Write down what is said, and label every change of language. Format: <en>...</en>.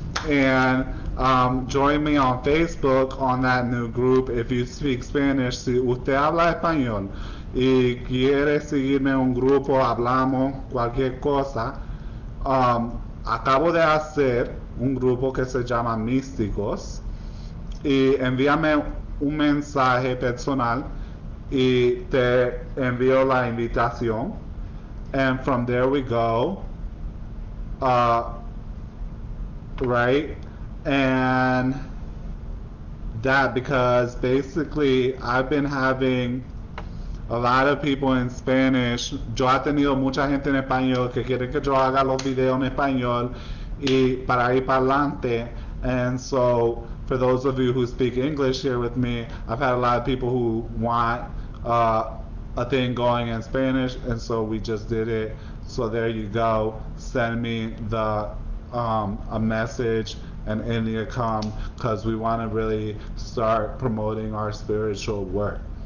<en>And join me on Facebook on that new group if you speak Spanish.</en> <es>Si usted habla español y quiere seguirme un grupo, hablamos, cualquier cosa. Acabo de hacer un grupo que se llama Místicos. Y envíame un mensaje personal y te envío la invitación.</es> <en>And from there we go. Right? And that, because basically I've been having a lot of people in Spanish.</en> <es>Yo he tenido mucha gente en español que quieren que yo haga los videos en español y para ir para adelante.</es> <en>And so, for those of you who speak English here with me, I've had a lot of people who want a thing going in Spanish, and so we just did it. So there you go. Send me the a message and in you come, because we want to really start promoting our spiritual work.</en>